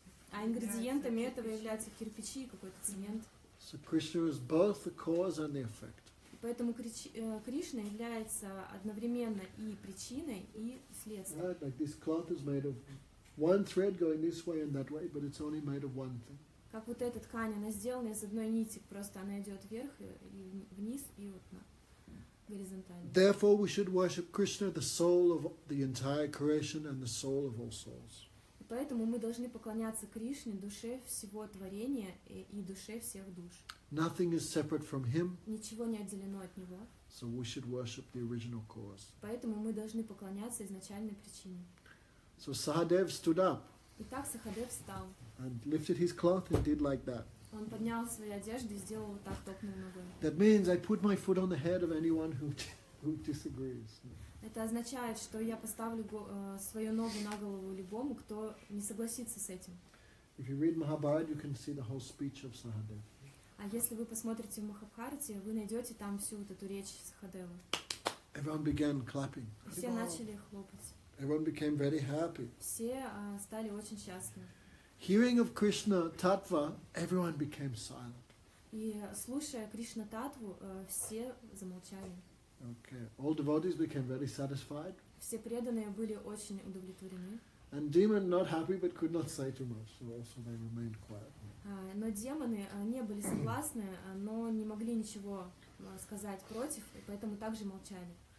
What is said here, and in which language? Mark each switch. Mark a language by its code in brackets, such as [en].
[ru] А ингредиентами этого являются кирпичи и какой-то цемент. [en] So Krishna is both the cause and the effect. [ru] Поэтому Кришна является одновременно и причиной, и следствием. [en] Right, like this cloth is made of one thread going this way and that way, but it's only made of one thing. [ru] Как вот эта ткань, она сделана из одной нити, просто она идет вверх и вниз и вот на горизонтально. [en] Therefore, we should worship Krishna, the soul of the entire creation and the soul of all souls. [ru] Поэтому мы должны поклоняться Кришне, душе всего творения и душе всех душ. [en] Nothing is separate from Him. [ru] Ничего не отделено от Него. [en] So we should worship the original cause. [ru] Поэтому мы должны поклоняться изначальной причине. [en] So Sahadev stood up. [ru] Итак, Сахадев встал. [en] And lifted his cloth and did like that. [ru] Он поднял свои одежды и сделал вот так, топнул ногой. [en] That means I put my foot on the head of anyone who disagrees. [ru] Это означает, что я поставлю свою ногу на голову любому, кто не согласится с этим. [en] If you read Mahabharata, you can see the whole speech of Sahadev. [ru] А если вы посмотрите в Махабхарате, вы найдете там всю вот эту речь Сахадева. [en] Everyone began clapping. [ru] Все начали хлопать. [en] Everyone became very happy. [ru] Все стали очень счастливы. [en] Hearing of Krishna Tattva, everyone became silent. [ru] И слушая Кришна Таттву, все замолчали. [en] Okay. All devotees became very satisfied. [ru] Все преданные были очень удовлетворены. [en] And demon not happy but could not say too much, so also they remained quiet. [ru] Но демоны не были согласны, но не могли ничего сказать против, и поэтому также молчали.